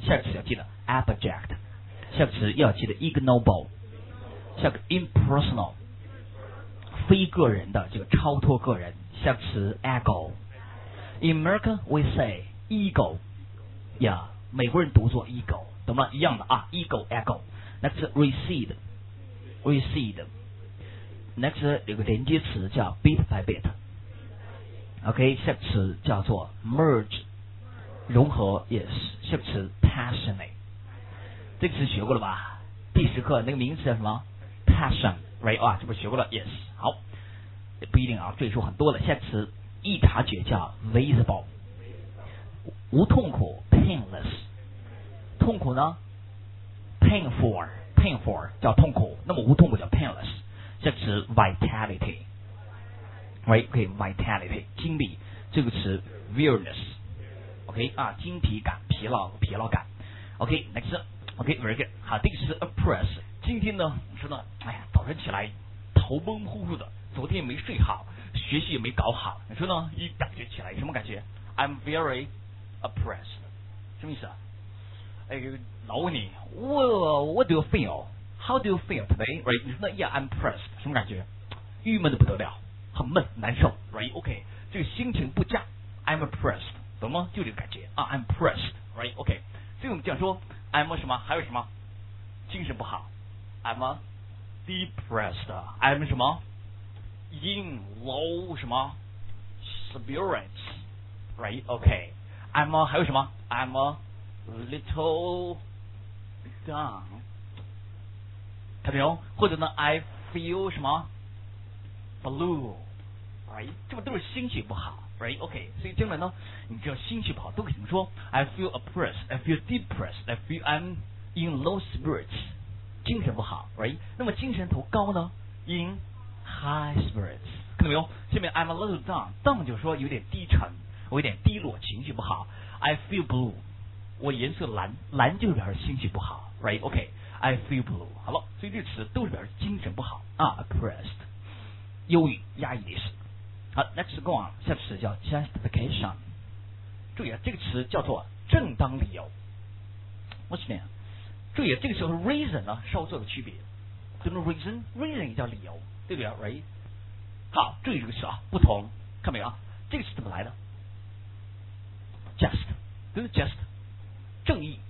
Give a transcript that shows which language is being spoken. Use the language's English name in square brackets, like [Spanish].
[Chinese] 下个词要记得 abject， 下个词要记得 ignoble， 下个 impersonal， 非个人的，这个超脱个人。下个词 [English] ego， in America we say ego， yeah， [Chinese] 美国人读作 [English] ego， 懂吗？ [Chinese] 一样的啊， ego ego。 [English] next recede， recede。 [Chinese] next 有个连接词叫 bit by bit。 OK， 下个词叫做 merge， 融合 ，yes。下个词 passionate， 这个词学过了吧？第十课那个名词叫什么 ？passion， right 啊，这不是学过了 ？yes， 好，不一定啊，赘述很多了。下个词易察觉叫 visible， 无痛苦 painless， 痛苦呢 painful 叫痛苦，那么无痛苦叫 painless。下个词 vitality。Right, okay, vitality, 精力，这个词 weariness, okay, 啊，精疲感，疲劳感 okay, next, okay, very good, 好，这个词 oppress, 今天呢，我说呢，哎呀，早上起来头蒙呼呼的，昨天也没睡好，学习也没搞好，你说呢，一感觉起来什么感觉？ [English] I'm very oppressed, [Chinese] 什么意思啊？ 哎，老问你， [English] what do you feel? How do you feel today? Right, [Chinese] 你说呢， [English] yeah, I'm oppressed, [Chinese] 什么感觉？郁闷的不得了，很闷，难受 ，right? OK， 这个心情不佳 ， [English] I'm oppressed， [Chinese] 懂吗？就这个感觉啊 ， [English] I'm oppressed， [Chinese] right? OK， 所以我们讲说 ，I'm 什么？还有什么？精神不好 [English] ，I'm depressed， I'm 什么 ？in low 什么 spirits， right? OK， I'm [Chinese] 还有什么 [English] ？I'm a little down， [Chinese] 看到没有？或者呢 ， [English] I feel [Chinese] 什么？Blue, right? 这不都是心情不好 ，right? [English] OK， [Chinese] 所以将来呢，你只要心情不好，都可以怎么说 [English] ？I feel oppressed, I feel depressed, I feel I'm in low spirits， [Chinese] 精神不好 [English] ，right? [Chinese] 那么精神头高呢 ？ [English] In high spirits， [Chinese] 看到没有？下面 I'm a little down， down 就是说有点低沉，我有点低落，情绪不好。 I feel blue， 我颜色蓝，蓝就是表示心情不好 ，right? OK， I feel blue， 好了，所以这词都是表示精神不好啊 ，oppressed。忧郁压抑的意思。好 ，next go on， 下个词叫 justification。注意啊，这个词叫做正当理由。 [English] What's mean？ [Chinese] 注意、啊、这个时候 reason 呢稍作有区别。就是 reason 也叫理由，对不对 ？Right？好，注意这个词啊，不同，看没有啊？这个词怎么来的 ？Just， 就是 just， 正义